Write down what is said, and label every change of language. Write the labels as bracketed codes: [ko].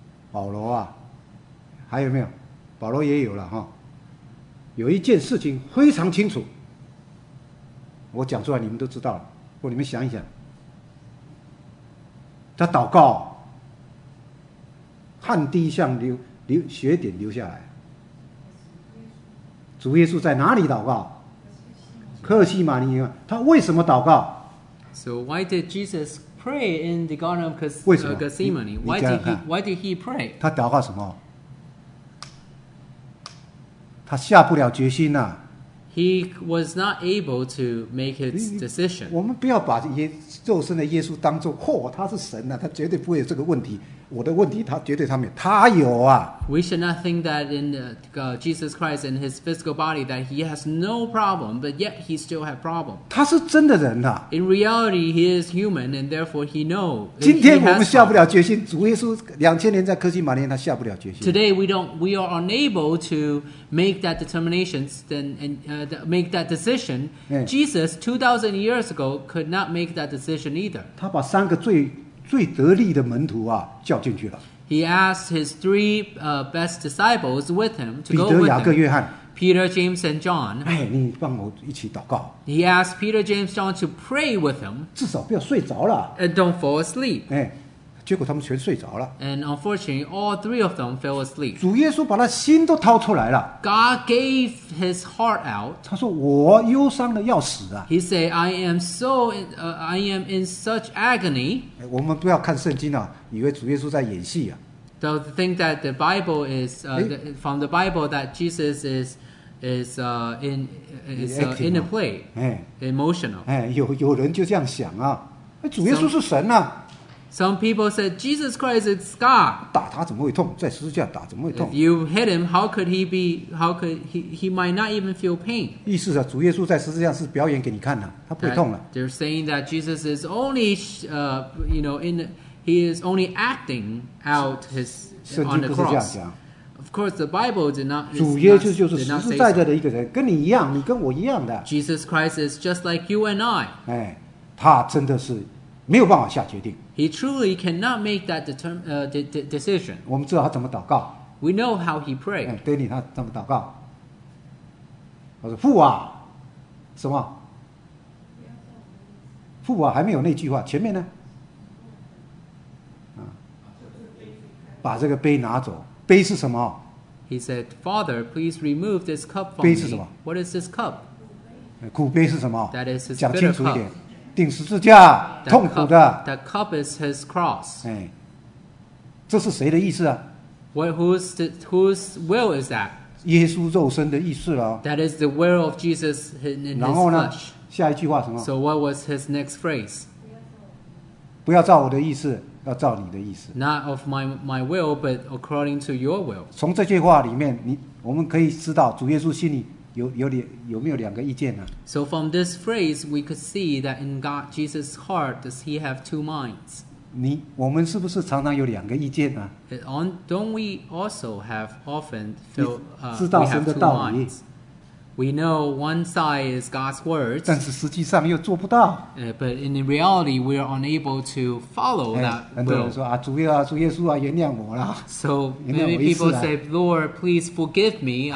[zh] 保罗啊，还有没有？保罗也有了哈，有一件事情非常清楚，我讲出来你们都知道了，或你们想一想，他祷告，汗滴像血点流下来，主耶稣在哪里祷告？客西马尼园，他为什么祷告 [en] ？So why did Jesus pray in the Garden of Gethsemane? Why did he pray? [zh] 他祷告什么？他下不了决心啊。 [en] He was not able to make his decision. [zh] 我们不要把肉身的耶稣当作嚯、哦、他是神啊他绝对不会有这个问题。我的问题他绝对他没有。他有啊。 [en] We should not think that in Jesus Christ in his physical body that he has no problem, but yet he still has problem. [zh] 他是真的人啊。 [en] In reality, he is human, and therefore he knows. [zh] 今天我们下不了决心主耶稣2000年在客西马尼园他下不了决心。 [en] Today, we are unable to make that determination make that decision. Jesus, 2000 years ago, could not make that decision either. [zh] 他把三个最得力的门徒啊叫进去了。 [en] He asked his three best disciples with him to go with him. [zh] 彼得、雅各、约翰。 [en] Peter, James, and John. [zh] 你帮我一起祷告。 [en] He asked Peter, James, John to pray with him. [zh] 至少不要睡着了。 [en] And don't fall asleep. [zh] 结果他们全睡着了。 [en] And unfortunately, all three of them fell asleep. [zh] 主耶稣把他心都掏出来了。 [en] God gave his heart out. [zh] 他说我忧伤的要死啊。 [en] He said, I am in such agony. [zh] 我们不要看圣经啊，以为主耶稣在演戏啊。 [en] Don't think that the Bible is, from the Bible that Jesus is in a play, emotional. [zh] 有人就这样想啊。主耶稣是神啊。 [en] Some people said Jesus Christ is God. [zh] 打他怎么会痛？在十字架打怎么会痛 [en] ？If you hit him, how could he might not even feel pain. [zh] 意思是、啊、主耶稣在十字架是表演给你看的、啊，他不会痛了。 [en] That、they're saying that Jesus is only, you know, in he is only acting out his on the cross. [zh] 圣经不是这样讲。 [en] Of course, the Bible did not. [zh] 主耶稣就是实实在在的一个人，跟你一样，你跟我一样的。 [en] Jesus Christ is just like you and I. [zh] 哎，他真的是没有办法下决定。 [en] He truly cannot make that decision. [zh] 我们知道他怎么祷告。 [en] We know how he prayed. [zh] 对你他怎么祷告？他说：“父啊，什么？父啊，还没有那句话，前面呢？把这个杯拿走。杯是什么 [en] ？”He said, "Father, please remove this cup from me." [zh] 杯是什么 [en] ？What is this cup? [zh] 苦杯是什么 [en] ？That is his bitter cup. [zh] 讲清楚一点。钉十字架 [en] that [zh] 痛苦的 [en] that cup is his cross、 [zh] 哎、这是谁的意思啊 [en] well, whose will is that [zh] 耶稣肉身的意思了 [en] that is the will of Jesus in his flesh [zh] 然后呢下一句话什么 [en] so what was his next phrase [zh] 不要照我的意思要照你的意思 [en] not of my will but according to your will [zh] 从这句话里面你我们可以知道主耶稣心里有没有两个意见呢、啊、 [en] ？So from this phrase, we could see that in God Jesus' heart, does he have two minds? [zh] 我们是不是常常有两个意见呢、啊、 [en] ？Don't we also have often feel [zh] 知道神的道理 [en] ？We know one side is God's words, [zh] 但是实际上又做不到。 [en] But in reality, we are unable to follow that will. [zh] 很多人说啊，主耶稣啊，主耶稣啊，原谅我啦。 [en] So many people say, Lord, please forgive me.